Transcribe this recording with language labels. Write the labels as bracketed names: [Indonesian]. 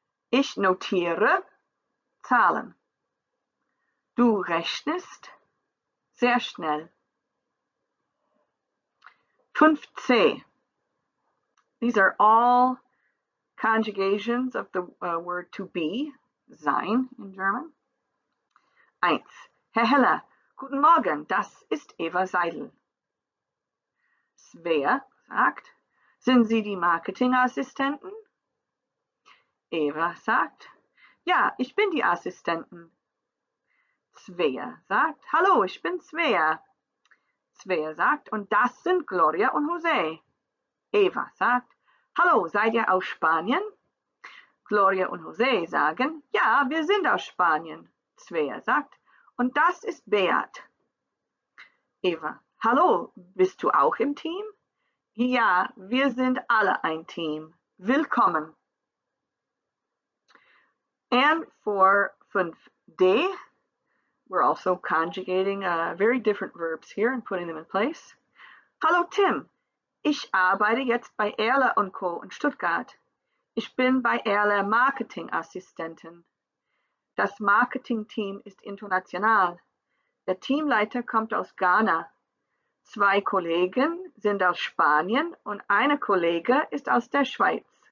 [German] Ich notiere Zahlen. Du rechnest sehr schnell. 5c. [English] These are all conjugations of the word to be, sein in German. [German] 1. Herr Heller, guten Morgen, das ist Eva Seidel. Svea sagt, sind Sie die Marketingassistenten? Eva sagt, ja, ich bin die Assistentin. Svea sagt, hallo, ich bin Svea. Svea sagt, und das sind Gloria und José. Eva sagt, hallo, seid ihr aus Spanien? Gloria und José sagen, ja, wir sind aus Spanien. Svea sagt, und das ist Beat. Eva, hallo, bist du auch im Team? Ja, wir sind alle ein Team. Willkommen. [English] And for 5D. We're also conjugating very different verbs here and putting them in place. [German] Hallo Tim, ich arbeite jetzt bei Erle & Co. in Stuttgart. Ich bin bei Erle Marketingassistentin. Das Marketingteam ist international. Der Teamleiter kommt aus Ghana. Zwei Kollegen sind aus Spanien und eine Kollege ist aus der Schweiz.